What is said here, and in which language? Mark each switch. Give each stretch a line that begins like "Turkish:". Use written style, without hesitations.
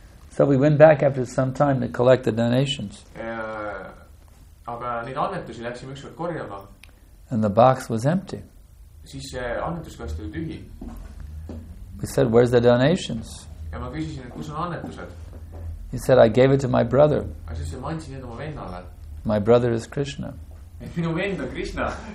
English: So we went back after some time to collect the donations.
Estonian: Aga neid annetusi läksime ükskord korjama.
English: And the box was empty.
Estonian: siis annetuskast oli tühi.
English: He said, where's the donations?
Estonian: Ja ma küsisin, et kus on annetused?
English: He said, I gave it to my brother.
Estonian: Ja siis ma andsin oma vennale.
English: My brother is Krishna.
Estonian: Et minu vend on Krishna.